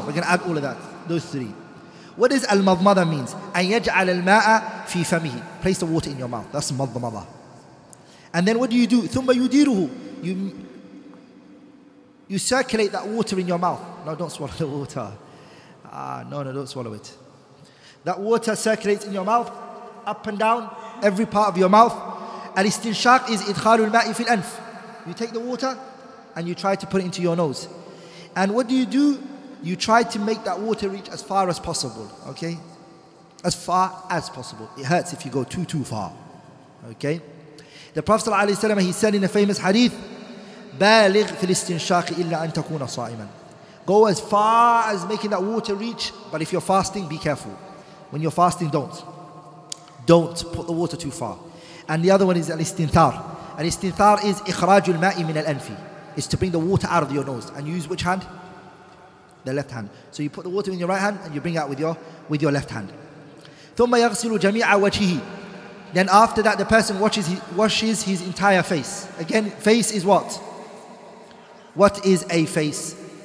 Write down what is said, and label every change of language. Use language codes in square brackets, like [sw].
[en] We're going to add all of that, those three. What does al-madmada means? [ar] أَنْ يَجْعَلَ الْمَاءَ فِي فَمِهِ. [en] Place the water in your mouth. That's madmada. And then what do you do? [ar] ثُمَّ يُدِيرُهُ. [en] You circulate that water in your mouth. No, don't swallow the water. No, don't swallow it. That water circulates in your mouth, up and down, every part of your mouth. Al-istinshaq is [ar] إِدْخَالُ الْمَاءِ فِي الْأَنْفِ. [en] You take the water and you try to put it into your nose. And what do? You try to make that water reach as far as possible, okay? As far as possible. It hurts if you go too far, okay? The Prophet ﷺ, he said in a famous hadith, [ar] بَالِغْ فِي الْإِسْتِنْشَاقِ إِلَّا أَن تَكُونَ صَائِمًا. [en] Go as far as making that water reach, but if you're fasting, be careful. When you're fasting, don't. Don't put the water too far. And the other one is [ar] الاستنثار. الاستنثار is إخراج الماء من الأنف. [en] It's to bring the water out of your nose. And use which hand? The left hand. So you put the water in your right hand and you bring it out with your left hand. [ar] ثُمَّ يَغْسِلُ جَمِيعَ وَجْهِهِ. [en] Then after that, the person washes his entire face. Again, face is what? What is a face?